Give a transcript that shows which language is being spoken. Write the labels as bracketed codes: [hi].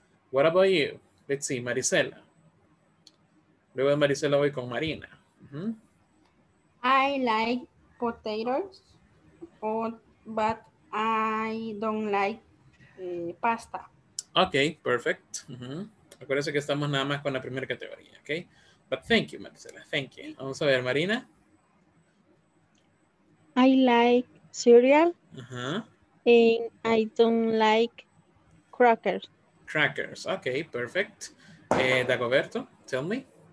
[en] What about you? Let's see, Marisela. [es] Luego de Marisela voy con Marina. [en] I like potatoes, but I don't like pasta. Ok, perfect. [es] Acuérdense que estamos nada más con la primera categoría, ¿ok? [en] But thank you, Marisela, thank you. [es] Vamos a ver, Marina. [en] I like cereal, and I don't like crackers. Crackers, ok, perfect. Dagoberto, tell me.